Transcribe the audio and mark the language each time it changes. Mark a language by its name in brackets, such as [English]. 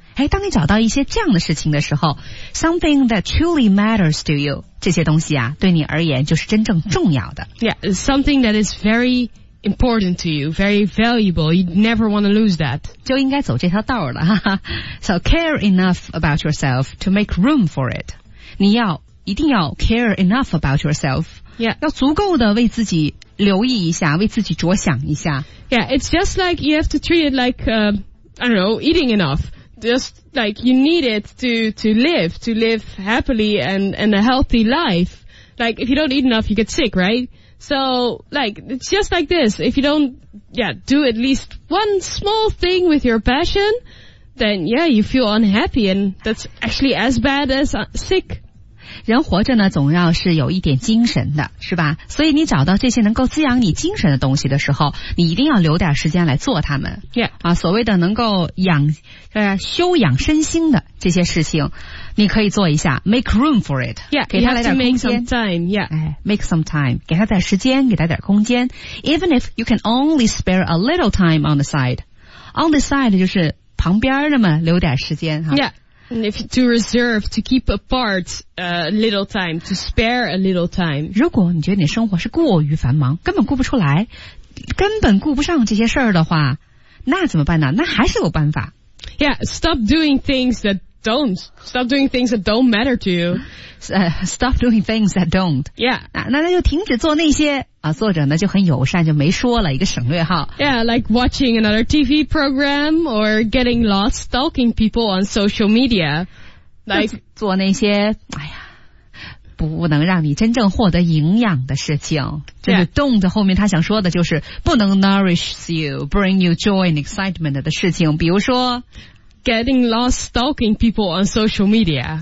[Chinese] 哎，当你找到一些这样的事情的时候 ， [English] something that truly matters to you， [Chinese] 这些东西啊，对你而言就是真正重要的。 [English] Yeah, something that is very important to you, very valuable. You never want to lose that. [Chinese] 就应该走这条道了，哈哈。 [English] So care enough about yourself to make room for it. [Chinese] 你要一定要 [English] care enough about yourself. Yeah. [Chinese] 要足够的为自己留意一下，为自己着想一下。 [English] Yeah, it's just like you have to treat it like, I don't know, eating enough. Just like you need it to live happily and a healthy life. Like if you don't eat enough, you get sick, right? So like it's just like this. If you don't, yeah, do at least one small thing with your passion, then yeah, you feel unhappy, and that's actually as bad as sick. [Chinese] 人活着呢，总要是有一点精神的，是吧？所以你找到这些能够滋养你精神的东西的时候，你一定要留点时间来做它们。 [English] Yeah. [Chinese] 啊，所谓的能够养，修养身心的这些事情，你可以做一下 ， [English] make room for it。 Yeah. [Chinese] 给他来点空间。 [English] Make some time. Yeah. [Chinese] 哎 ， [English] make some time， [Chinese] 给他点时间，给他点空间。 [English] Even if you can only spare a little time on the side， on the side [Chinese] 就是旁边的嘛，留点时间哈。 [English] Yeah. And if to reserve, to keep apart a little time, to spare a little time. [Chinese] 如果你觉得你生活是过于繁忙，根本顾不出来，根本顾不上这些事儿的话，那怎么办呢？那还是有办法。 [English] Yeah, stop doing things that don't matter to you. Stop doing things that don't. Yeah. [Chinese] 那就停止做那些啊，作者呢就很友善，就没说了一个省略号。 [English] Yeah, like watching another TV program or getting lost stalking people on social media. Like [Chinese] 做那些哎呀不能让你真正获得营养的事情。就是 don't 后面他想说的就是不能 [English] nourish you, bring you joy and excitement [Chinese] 的事情，比如说 [English] Getting lost stalking people on social media.